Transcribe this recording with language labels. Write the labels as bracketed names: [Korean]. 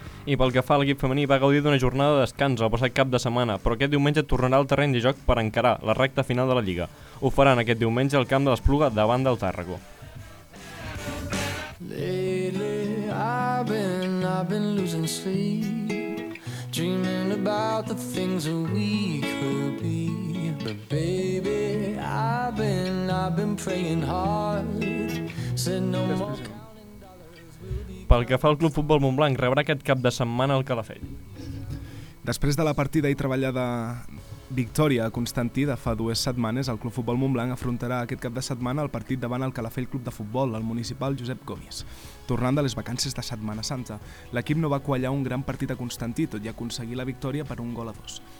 [Catalan] I pel que fa a l'equip femení, va gaudir d'una jornada de descans el passat cap de setmana, però aquest diumenge tornarà al terreny de joc per encarar la recta final de la Lliga. Ho faran aquest diumenge al camp de l'Espluga davant del Tàrraco. [English] Lately I've been losing sleep, dreaming about the things that we could be. But baby, I've been praying hard, said no more. [Catalan] Pel que fa al Club Futbol Montblanc, rebrà aquest cap de setmana el Calafell. Després de la partida i treballada victòria a Constantí de fa 2 setmanes, el Club Futbol Montblanc afrontarà aquest cap de setmana el partit davant el Calafell Club de Futbol, el municipal Josep Gomis. Tornant de les vacances de Setmana Santa, l'equip no va quallar un gran partit a Constantí, tot i aconseguir la victòria per 1-2.